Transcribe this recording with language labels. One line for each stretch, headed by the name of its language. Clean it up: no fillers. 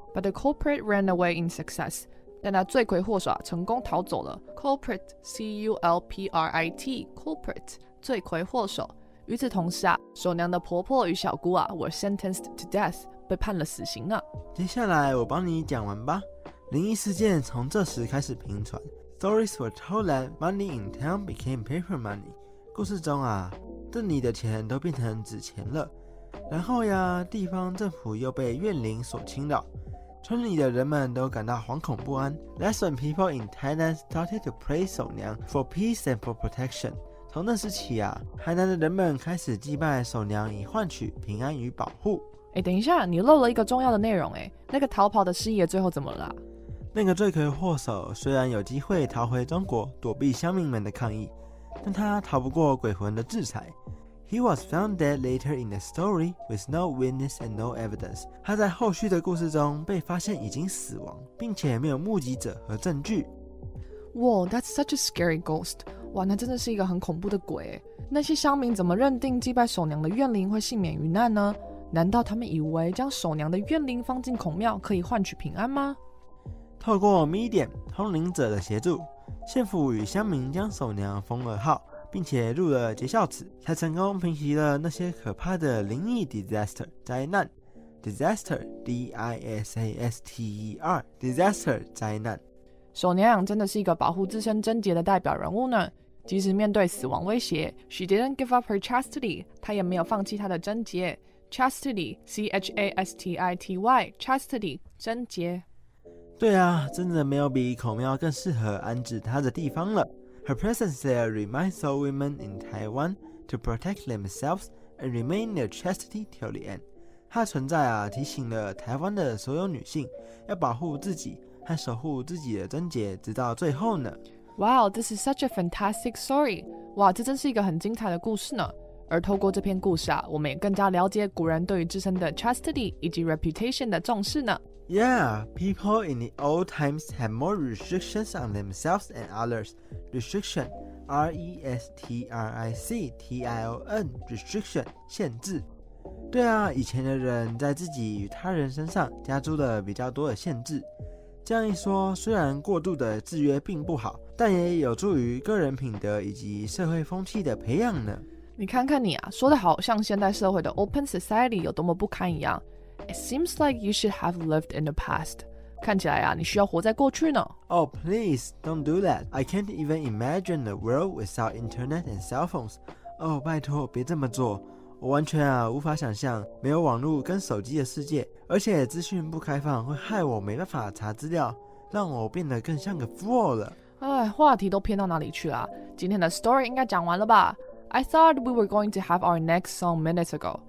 English: But the culprit ran away in success.
Chinese: 但那罪魁祸首、成功逃走了。
English: Culprit, C-U-L-P-R-I-T, culprit, 罪魁祸首。
Chinese: 与此同时啊，守娘的婆婆与小姑啊 ，
English: were sentenced to death，
Chinese: 被判了死刑呢。接下来我帮你讲完吧。灵异事件从这时开始频传。
English: Stories were told that money in town became paper money.
Chinese: 故事中啊，邓里的钱都变成纸钱了。然后呀，地方政府又被怨灵所侵扰，村里的人们都感到惶恐不安。
English: That's when people in Thailand started to pray 守娘 for peace and for protection.
Chinese: 从那时起啊，台南的人们开始祭拜守娘以换取平安与保护。哎，等一下，你漏了一个重要的内容哎，那个逃跑的师爷最后怎么了、那个罪魁祸首虽然有机会逃回中国躲避乡民们的抗议，但他逃不过鬼魂的制裁。
English: He was found dead later in the story with no witness and no evidence.
Chinese: 他在后续的故事中被发现已经死亡，并且没有目击者和证据。
English: Wow, that's such a scary ghost.
Chinese: 哇，那真的是一个很恐怖的鬼。那些乡民怎么认定祭拜守娘的怨灵会幸免于难呢？难道他们以为将守娘的怨灵放进孔庙可以换取平安吗？透过 Medium 通灵者的协助，县府与乡民将守娘封了号，并且入了节孝祠，才成功平息了那些可怕的灵异 disaster 灾难。
English: Disaster D-I-S-A-S-T-E-R disaster 灾难。
Chinese: 守娘真的是一个保护自身贞洁的代表人物呢。即使面对死亡威胁 ，
English: She didn't give up her chastity，
Chinese: 她也没有放弃她的贞洁。
English: Chastity C-H-A-S-T-I-T-Y chastity 贞洁。
Chinese: 对啊，真的没有比孔庙更适合安置她的地方了。
English: Her presence there reminds all women in Taiwan to protect themselves and remain their chastity till the end.
Chinese: 她的存在啊，提醒了台湾的所有女性要保护自己和守护自己的贞洁，直到最后呢。
English: Wow, this is such a fantastic story.
Chinese: 哇，这真是一个很精彩的故事呢。而透过这篇故事啊，我们也更加了解古人对于自身的 chastity 以及 reputation 的重视呢。
English: Yeah, people in the old times had more restrictions on themselves and others. Restriction, R-E-S-T-R-I-C-T-I-O-N, restriction, 限制。
Chinese: 对啊，以前的人在自己与他人身上加诸了比较多的限制。这样一说，虽然过度的制约并不好，但也有助于个人品德以及社会风气的培养呢。你看看你啊，说的好像现代社会的 open society 有多么不堪一样。
English: It seems like you should have lived in the past.
Chinese: 看起来啊，你需要活在过去呢。
English: Oh, please, don't do that. I can't even imagine the world without internet and cell phones.
Chinese: Oh, 拜托，别这么做。我完全啊，无法想象没有网络跟手机的世界，而且资讯不开放会害我没办法查资料，让我变得更像个 fool 了。哎，话题都偏到哪里去了？今天的 story 应该讲完了吧？
English: I thought we were going to have our next song minutes ago.